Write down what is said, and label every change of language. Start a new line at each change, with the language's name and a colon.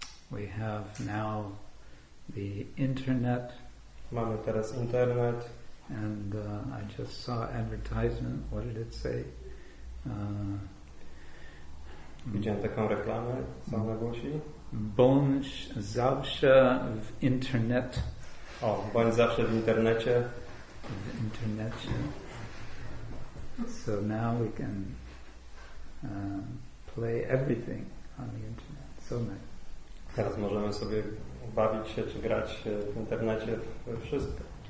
English: We have now the internet.
Polish: Mamy teraz internet.
English: And I just saw advertisement. What did it say?
Polish: Widziałem taką reklamę, co ona głosi? Bądź zawsze w internet. O, bądź zawsze w internecie. W internecie.
English: So now we can play everything on the internet. So nice.
Polish: Teraz możemy sobie bawić się czy grać w internecie wszystko.